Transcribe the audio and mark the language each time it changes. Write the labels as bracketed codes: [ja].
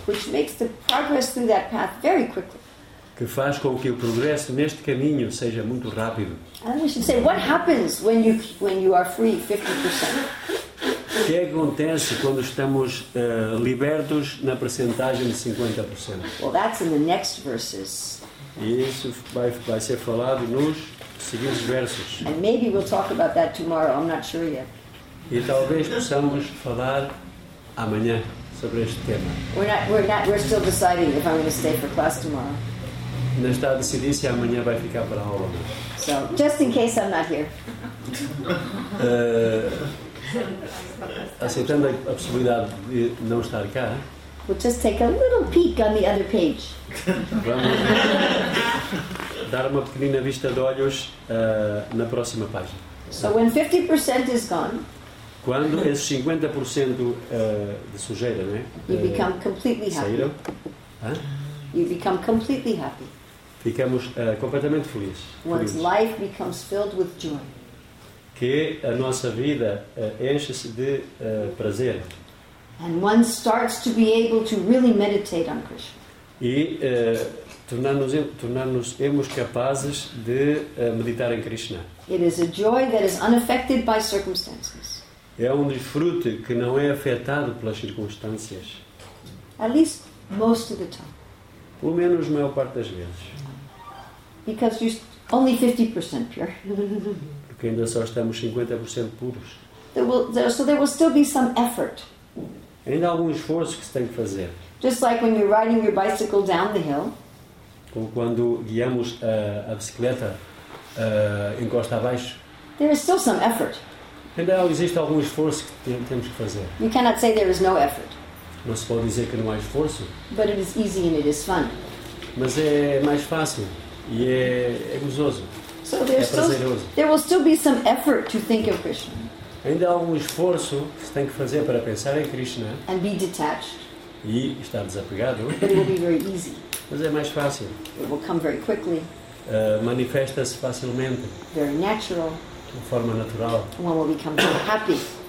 [en] Which makes the progress through that path very quickly. [pt] Que faz com que o progresso neste caminho seja muito rápido. [en] And we should say, what happens when you are free 50%? [pt] O que acontece quando estamos libertos na percentagem de 50%? [en] Well, that's in the next verses. [pt] E isso vai ser falado nos seguintes versos. [en] And maybe we'll talk about that tomorrow. I'm not sure yet. [pt] E talvez possamos falar amanhã sobre este tema. [en] We're still deciding if I'm going to stay for class tomorrow. [pt] Ainda está a decidir se amanhã vai ficar para a aula. [en] So, just in case I'm not here. [pt] Aceitando a possibilidade de não estar cá. [en] We'll just take a little peek on the other page. [pt] Vamos dar uma pequenina vista de olhos na próxima página. [en] So when 50% is gone. [pt] Quando esses 50% de sujeira, né? [en] You become completely happy. [pt] Saíram, [en] you become completely happy. [pt] Ficamos completamente felizes. [en] One's life becomes filled with joy. [pt] Que a nossa vida enche-se de prazer. [en] And one starts to be able to really meditate on Krishna. [pt] E tornar-nos-emos capazes de meditar em Krishna. [en] It is a joy that is unaffected by circumstances. [pt] É um desfrute que não é afetado pelas circunstâncias. [en] At least most of the time. [pt] Pelo menos a maior parte das vezes. [en] Because you're only 50% pure. [pt] Porque ainda só estamos 50% puros. [en] There will still be some effort. [pt] Ainda há algum esforço que se tem que fazer. [en] Just like when you're riding your bicycle down the hill. [pt] Como quando guiamos a bicicleta encosta abaixo. [en] There is still some effort. [pt] Ainda existe algum esforço que temos que fazer. [en] You cannot say there is no effort. [pt] Não se pode dizer que não há esforço. [en] But it is easy and it is fun. [pt] Mas é mais fácil e é gozoso. [en] So there's [pt] é prazeroso. [en] There will still be some effort to think of Krishna. [pt] Ainda há algum esforço que se tem que fazer para pensar em Krishna. [en] And be detached. [pt] E estar desapegado. [en] But it will be very easy. [pt] Mas é mais fácil. [en] It will come very quickly. [pt] Manifesta-se facilmente. [en] Very natural. [pt] De forma natural. [en] One will become very happy.